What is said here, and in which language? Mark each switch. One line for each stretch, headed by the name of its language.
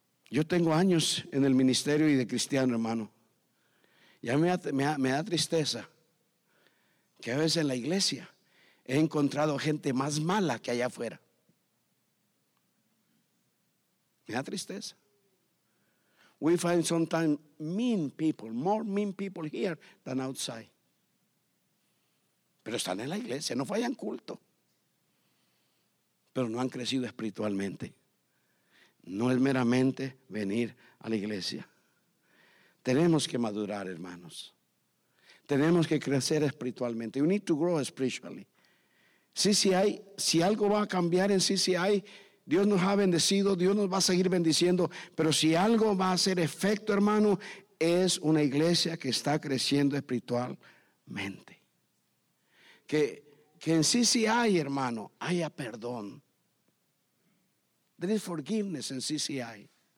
Spanish: Yo tengo años en el ministerio y de cristiano, hermano. Ya me da tristeza que a veces en la iglesia he encontrado gente más mala que allá afuera. Me da tristeza.
English: We find sometimes mean people, more mean people here than outside.
Spanish: Pero están en la iglesia, no fallan culto, pero no han crecido espiritualmente. No es meramente venir a la iglesia. Tenemos que madurar, hermanos. Tenemos que crecer espiritualmente.
English: You need to grow spiritually.
Spanish: Si algo va a cambiar en CCI, Dios nos ha bendecido, Dios nos va a seguir bendiciendo. Pero si algo va a hacer efecto, hermano, es una iglesia que está creciendo espiritualmente. Que en CCI, hermano, haya perdón.
English: There is forgiveness in CCI.